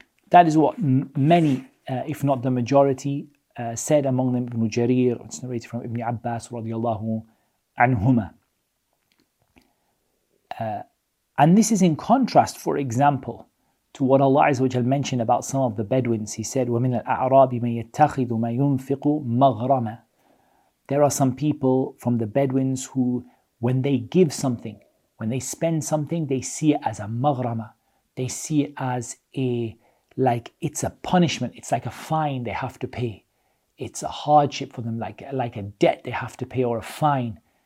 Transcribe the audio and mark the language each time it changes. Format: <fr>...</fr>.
<en>That is what many, if not the majority, said among them. Ibn Jarir, it's narrated from Ibn Abbas radiallahu anhumah. And this is in contrast, for example, to what Allah Azza wa Jal mentioned about some of the Bedouins. He said,</en> <ar>وَمِنَ الْأَعْرَابِ مَنْ يَتَّخِذُ مَا يُنْفِقُ مَغْرَمًا.</ar> <en>There are some people from the Bedouins who, when they give something, when they spend something, they see it as a maghrama. They see it as a like it's a punishment. It's like a fine they have to pay. It's a hardship for them, like a debt they have to pay or a fine.</en>